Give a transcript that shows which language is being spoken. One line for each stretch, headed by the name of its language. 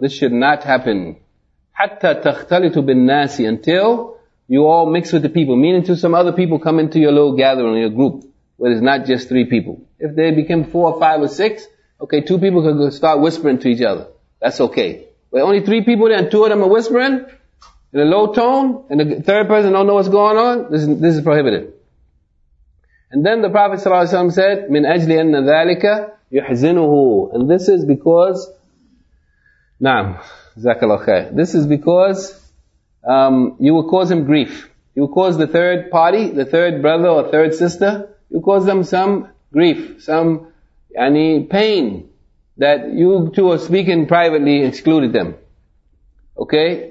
English: This should not happen.
Arabic: حَتَّى تَخْتَلِتُ بِالنَّاسِ
English: until you all mix with the people, meaning to some other people come into your little gathering, your group, where it's not just three people. If they become 4, 5, or 6, okay, two people can start whispering to each other. That's okay. But only three people there and two of them are whispering in a low tone, and the third person don't know what's going on, this is prohibited. And then the Prophet ﷺ said,
Arabic: مِنْ أَجْلِ أَنَّ ذَٰلِكَ يُحْزِنُهُ
English: and this is because,
Arabic: نعم, جزاكَ الله خير.
English: This is because you will cause him grief. You will cause the third party, the third brother or third sister, you cause them some grief, some any pain that you two are speaking privately excluded them. Okay?